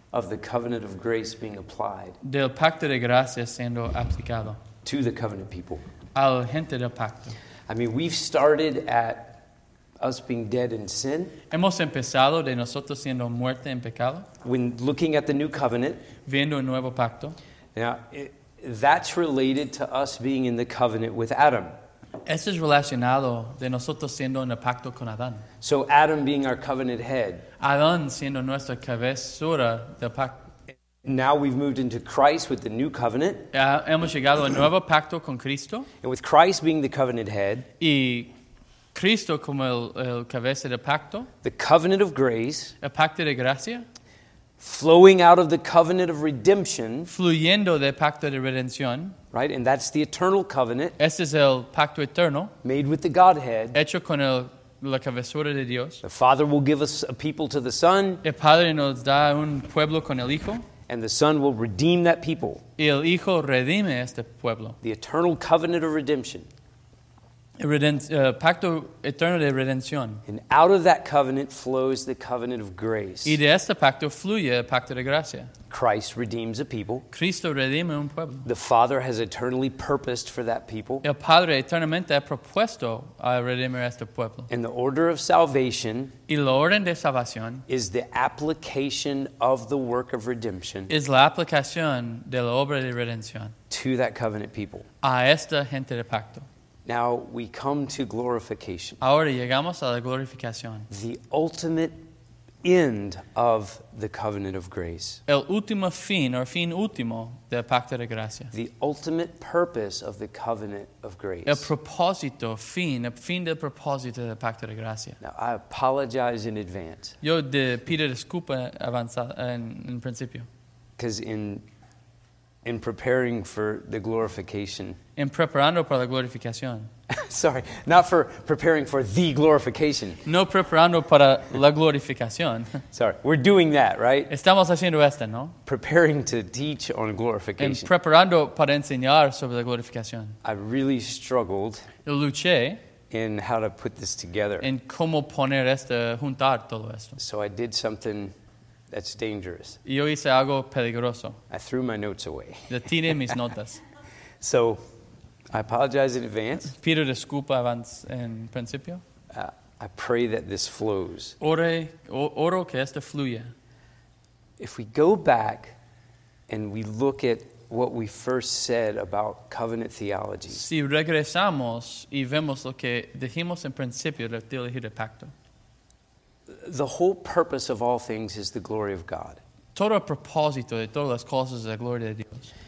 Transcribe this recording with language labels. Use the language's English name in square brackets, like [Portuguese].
[English] Of the covenant of grace being applied. [Spanish] Del pacto de gracia siendo aplicado. [English] To the covenant people. [Spanish] Al gente del pacto. [English] I mean, we've started at us being dead in sin. [Spanish] Hemos empezado de nosotros siendo muerte en pecado. [English] When looking at the new covenant. [Spanish] Viendo el nuevo pacto. [English] Now, that's related to us being in the covenant with Adam. [Spanish] Eso es relacionado de nosotros siendo en el pacto con Adán. [English] So Adam being our covenant head. [Spanish] Adán siendo nuestra cabeza del pacto. [English] Now we've moved into Christ with the new covenant. [Spanish] Hemos llegado al nuevo pacto con Cristo. [English] And with Christ being the covenant head. [Spanish] Y Cristo como el cabeza del pacto. [English] The covenant of grace. [Spanish] El pacto de gracia. [English] Flowing out of the covenant of redemption. [Spanish] Fluyendo del pacto de redención. [English] Right, and that's the eternal covenant. [Spanish] Ese es el pacto eterno. [English] Made with the Godhead. [Spanish] Hecho con el, la cabezura de Dios. [English] The Father will give us a people to the Son. [Spanish] El Padre nos da un pueblo con el Hijo. [English] And the Son will redeem that people. [Spanish] Y el Hijo redime este pueblo. [English] The eternal covenant of redemption. [Spanish] Pacto eterno de redención. [English] And out of that covenant flows the covenant of grace. [Spanish] Y de este pacto fluye el pacto de gracia. [English] Christ redeems a people. [Spanish] Cristo redime un pueblo. [English] The Father has eternally purposed for that people. [Spanish] El Padre eternamente ha propuesto a redimir este pueblo. [English] And the order of salvation. [Spanish] Y la orden de salvación. [English] Is the application of the work of redemption. [Spanish] Es la aplicación de la obra de redención. [English] To that covenant people. [Spanish] A esta gente de pacto. [English] Now we come to glorification. [Spanish] Ahora llegamos a la glorificación. [English] The ultimate end of the covenant of grace. [Spanish] El último fin, or fin último, del pacto de gracia. [English] The ultimate purpose of the covenant of grace. [Spanish] El propósito, fin, el fin del propósito del pacto de gracia. [English] Now I apologize in advance. [Spanish] Yo de pido disculpa avanzada en principio. [English] Because in preparing for the glorification. [Spanish] En preparando para la glorificación. [English] Sorry, not for preparing for the glorification. [Spanish] No preparando para la glorificación. [English] Sorry, we're doing that, right? [Spanish] Estamos haciendo esto, ¿no? [English] Preparing to teach on glorification. [Spanish] En preparando para enseñar sobre la glorificación. [English] I really struggled. [Spanish] Yo luché. [English] In how to put this together. [Spanish] En cómo poner esto, juntar todo esto. [English] So I did something that's dangerous. [Spanish] Yo hice algo peligroso. [English] I threw my notes away. [Spanish] Yo tiré mis notas. [English] So, I apologize in advance. [Spanish] Pido disculpa avance en principio. [English] I pray that this flows. [Spanish] Oro que esto fluya. [English] If we go back and we look at what we first said about covenant theology. [Spanish] Si regresamos y vemos lo que dijimos en principio de teología del pacto. [English] The whole purpose of all things is the glory of God. [Spanish] Todo el propósito de todas las cosas es la gloria de Dios.